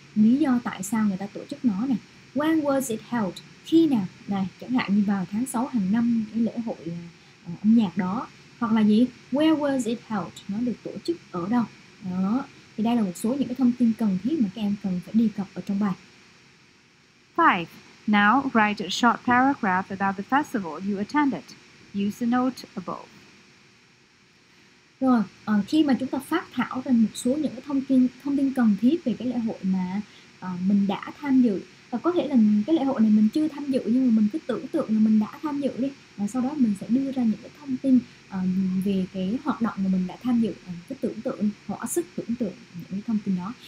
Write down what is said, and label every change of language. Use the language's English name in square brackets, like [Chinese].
[Vietnamese] Lý do tại sao người ta tổ chức nó này? [English] When was it held? [Vietnamese] Khi nào? Này, chẳng hạn như vào tháng 6 hàng năm cái lễ hội âm nhạc đó. Hoặc là gì? [English] Where was it held? [Vietnamese] Nó được tổ chức ở đâu? Đó. Thì đây là một số những cái thông tin cần thiết mà các em cần phải đề cập ở trong bài. 5. [English] Now write a short paragraph about the festival you attended. Use the note above. [Vietnamese] Rồi, khi mà chúng ta phát thảo ra một số những cái thông tin cần thiết về cái lễ hội mà mình đã tham dự. Và có thể là cái lễ hội này mình chưa tham dự nhưng mà mình cứ tưởng tượng là mình đã tham dự đi. Và sau đó mình sẽ đưa ra những cái thông tin về cái hoạt động mà mình đã tham dự, cái tưởng tượng, hóa sức tưởng tượng những thông tin đó.